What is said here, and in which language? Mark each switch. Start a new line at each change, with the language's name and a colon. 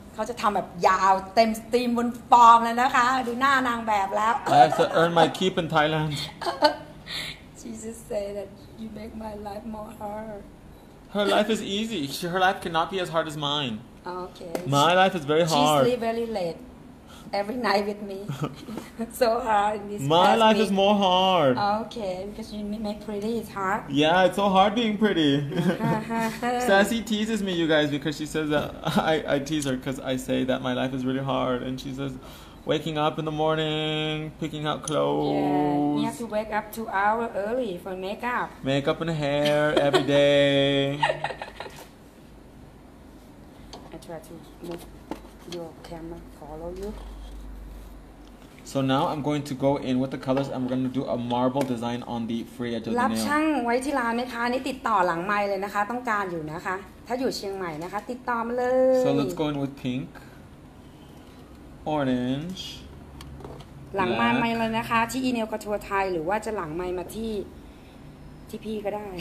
Thai: เขาจะทำแบบยาวเต็มสตรีมบนฟอร์มเลยนะคะดูหน้านางแบบแล้ว
English: I have to earn my keep in Thailand. Jesus say that you make my life more hard. Her life is easy. Her life cannot be as hard as mine. Okay. My life is very hard. She sleep very late every night with me. So hard. My life is more hard. Okay, because you make pretty, it's hard. Yeah, it's so hard being pretty. Sassy teases me, you guys, because she says that I tease her because I say that my life is really hard. And she says, waking up in the morning, picking out clothes. Yeah, you have to wake up 2 hours early for makeup. Makeup and hair every day. try to move your camera, follow you. So now I'm going to go in with the colors and we're going to do a marble design on the free edge of the nail.
Thai: รับช่างไว้ที่ร้านไหมคะนี่ติดต่อหลังไมค์เลยนะคะต้องการอยู่นะคะถ้าอยู่เชียงใหม่นะคะติดต่อมาเลย
English: So let's go in with pink, orange,
Thai: หลังไมค์เลยนะคะที่อีเนลคอทัวร์ไทยหรือว่าจะหลังไมค์มาที่พี่ก็ได